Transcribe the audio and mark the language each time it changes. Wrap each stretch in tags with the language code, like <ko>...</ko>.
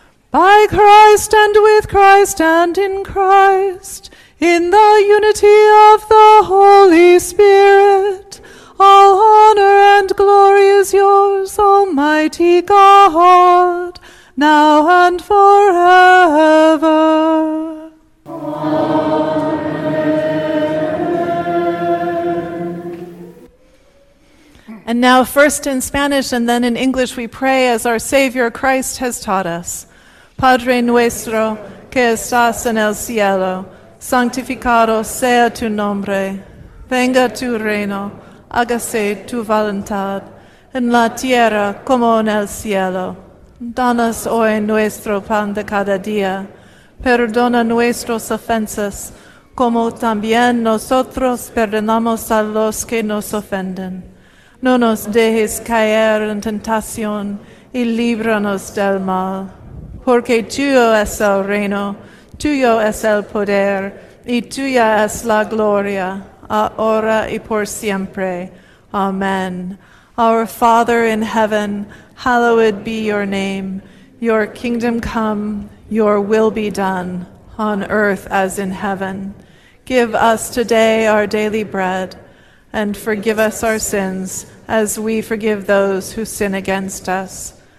<en>By Christ and with Christ and in Christ, in the unity of the Holy Spirit, all honor and glory is yours, Almighty God, now and forever. Amen. And now, first in Spanish and then in English, we pray as our Savior Christ has taught us.</en> <es>Padre nuestro que estás en el cielo, santificado sea tu nombre. Venga tu reino, hágase tu voluntad, en la tierra como en el cielo. Danos hoy nuestro pan de cada día. Perdona nuestras ofensas, como también nosotros perdonamos a los que nos ofenden. No nos dejes caer en tentación, y líbranos del mal. Porque tuyo es el reino, tuyo es el poder, y tuya es la gloria, ahora y por siempre. Amen.</es> <en>Our Father in heaven, hallowed be your name. Your kingdom come, your will be done, on earth as in heaven. Give us today our daily bread, and forgive us our sins, as we forgive those who sin against us.</en>